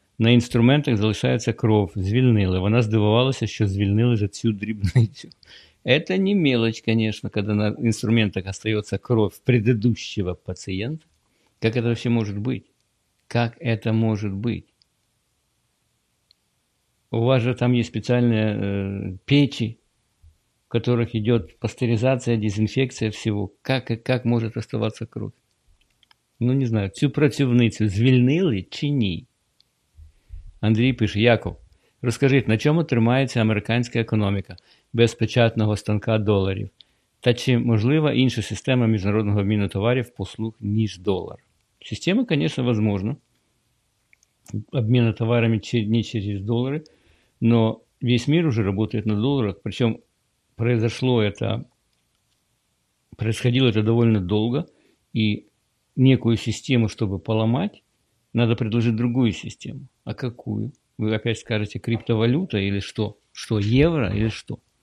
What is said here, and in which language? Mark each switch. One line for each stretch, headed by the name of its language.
Ukrainian: На інструментах залишається кров. Звільнили. Вона здивувалася, що звільнили за цю дрібницю».
Russian: Это не мелочь, конечно, когда на инструментах остается кровь предыдущего пациента. Как это вообще может быть? Как это может быть? У вас же там есть специальные печи, в которых идет пастеризация, дезинфекция всего. Как может оставаться кровь?
Ukrainian: Ну, не знаю, цю працівницю звільнили чи ні? Андрій пише: «Яков, розкажіть, на чому тримається американська економіка без печатного станка доларів? Та чи можлива інша система міжнародного обміну товарів, послуг, ніж долар?» Система, звісно, можлива. Обміну товарами не через долари.
Russian: Но весь мир уже работает на долларах. Причем происходило это довольно долго. И некую систему, чтобы поломать, надо предложить другую систему. А какую? Вы опять скажете, криптовалюта или что? Что, евро или что?